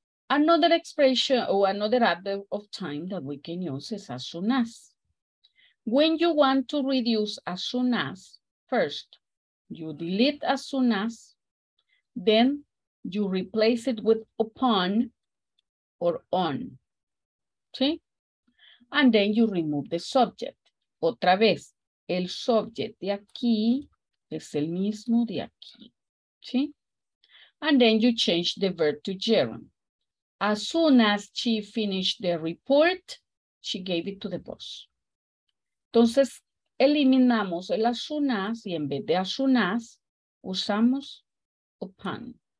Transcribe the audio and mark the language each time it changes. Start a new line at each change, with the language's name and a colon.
English: Another expression or another adverb of time that we can use is as soon as. When you want to reduce as soon as, first, you delete as soon as, then you replace it with upon or on.
Spanish: ¿Sí?
English: And then you remove the subject.
Spanish: Otra vez. El subject de aquí es el mismo de aquí, ¿sí?
English: And then you change the verb to gerund. As soon as she finished the report, she gave it to the boss.
Spanish: Entonces, eliminamos el
English: as soon as
Spanish: y en vez de as soon as, usamos upon.